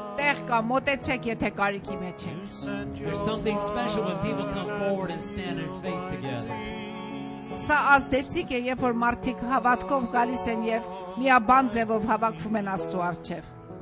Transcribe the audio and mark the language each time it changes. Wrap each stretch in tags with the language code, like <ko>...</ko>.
<hy>Տեղ կա, մոտեցեք, եթե կարիքի մեջ եք.</hy> <en>There's something special when people come forward and stand in faith together.</en> <hy>Սա ազդեցիկ է, երբ որ մարդիկ հավատքով գալիս են եւ միաբան ձևով հավաքվում են Աստծո առջեւ.</hy>